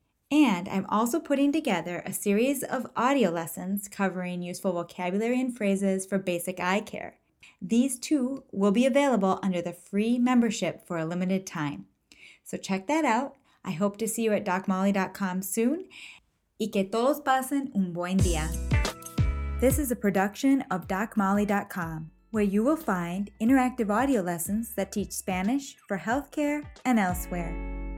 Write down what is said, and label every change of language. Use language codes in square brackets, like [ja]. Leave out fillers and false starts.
[en] And I'm also putting together a series of audio lessons covering useful vocabulary and phrases for basic eye care. These two will be available under the free membership for a limited time. So check that out. I hope to see you at DocMolly.com soon. [es] Y que todos pasen un buen día. [en] This is a production of DocMolly.com, where you will find interactive audio lessons that teach Spanish for healthcare and elsewhere.